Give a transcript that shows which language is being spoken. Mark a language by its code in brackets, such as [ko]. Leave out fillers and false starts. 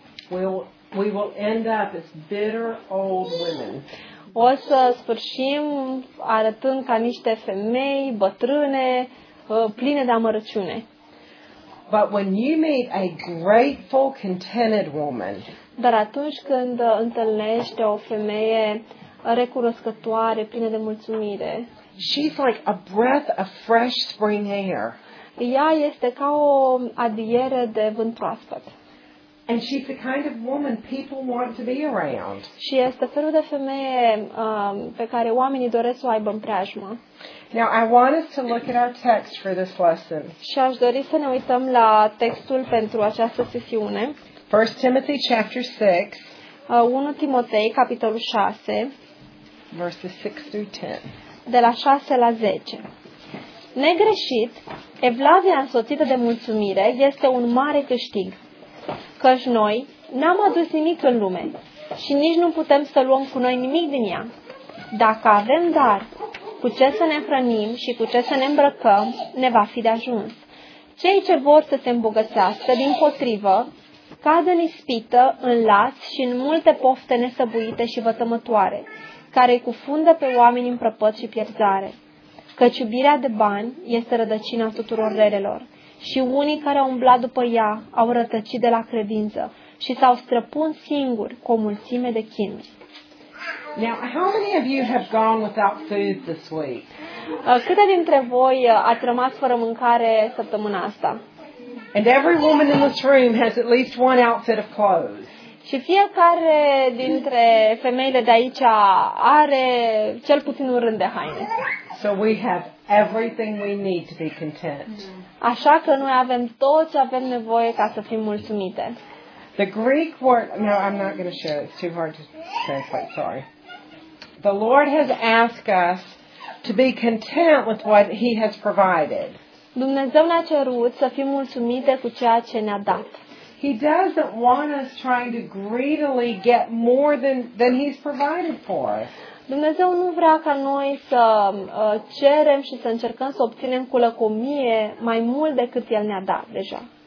[en] we will end up as bitter old women. [ro] O să sfârșim arătând ca niște femei bătrâne, pline de amărăciune. [en] But when you meet a grateful, contented woman, [ro] dar atunci când întâlnești o femeie recunoscătoare, plină de mulțumire, [en] she's like a breath of fresh spring air. [ro] Ea este ca o adiere de vânt proaspăt. [en] And she's the kind of woman people want to be around. [ro] Și este felul de femeie pe care oamenii doresc să o aibă în preajmă. [en] Now I want us to look at our text for this lesson. [ro] Și aș dori să ne uităm la textul pentru această sesiune. [en] 1 Timothy chapter 6. [ro] 1 Timotei capitolul 6. [en] Verses 6 through 10. [ro] De la 6 la 10. Negreșit, evlavia însoțită de mulțumire este un mare câștig. Căci noi n-am adus nimic în lume și nici nu putem să luăm cu noi nimic din ea. Dacă avem dar cu ce să ne hrănim și cu ce să ne îmbrăcăm, ne va fi de ajuns. Cei ce vor să se îmbogățească, dimpotrivă, cad în ispită, în laț și în multe pofte nesăbuite și vătămătoare, care îi cufundă pe oameni în prăpăt și pierzare. Căci iubirea de bani este rădăcina tuturor relelor. Și unii care au umblat după ea au rătăcit de la credință și s-au străpuns singuri cu o mulțime de chinuri. [en] Now, how many of you have gone without food this week? [ro] Câte dintre voi ați rămas fără mâncare săptămâna asta? [en] And every woman in this room has at least one outfit of clothes. [ro] Și fiecare dintre femeile de aici are cel puțin un rând de haine. [en] So we have everything we need to be content. [ro] Așa că noi avem tot ce avem nevoie ca să fim mulțumite. [en] The Greek word, no, I'm not going to share it. It's too hard to translate, sorry. The Lord has asked us to be content with what He has provided. [ro] Dumnezeu ne-a cerut să fim mulțumite cu ceea ce ne-a dat. [en] He doesn't want us trying to greedily get more than He's provided for us. [ro] Dumnezeu nu vrea ca noi să cerem și să încercăm să obținem cu lăcomie mai mult decât El ne-a dat deja.